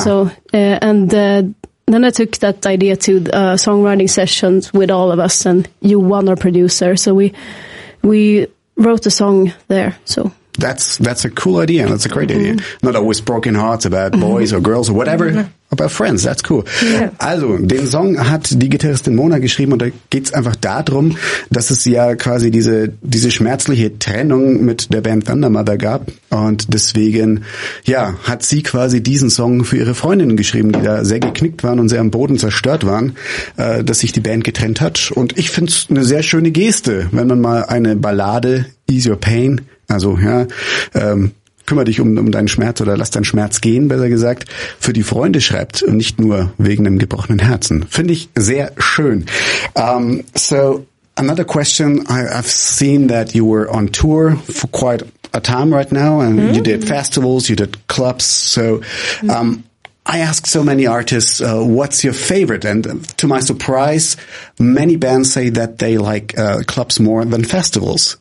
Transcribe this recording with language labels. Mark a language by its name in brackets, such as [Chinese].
[English] So, and then I took that idea to songwriting sessions with all of us, and you won our producer. So we wrote a song there. So. That's a cool idea, and that's a great idea. Not always broken hearts about boys or girls or whatever, about friends, that's cool. Yeah. [German] Also, den Song hat die Gitarristin Mona geschrieben, und da geht's einfach darum, dass es ja quasi diese schmerzliche Trennung mit der Band Thundermother gab. Und deswegen, ja, hat sie quasi diesen Song für ihre Freundinnen geschrieben, die da sehr geknickt waren und sehr am Boden zerstört waren, dass sich die Band getrennt hat. Und ich find's eine sehr schöne Geste, wenn man mal eine Ballade, Ease Your Pain, also ja, kümmere dich um deinen Schmerz oder lass deinen Schmerz gehen, besser gesagt, für die Freunde schreibt und nicht nur wegen einem gebrochenen Herzen. Finde ich sehr schön. [English] So another question, I've seen that you were on tour for quite a time right now and you did festivals, you did clubs, so I ask so many artists, what's your favorite? And to my surprise, many bands say that they like clubs more than festivals.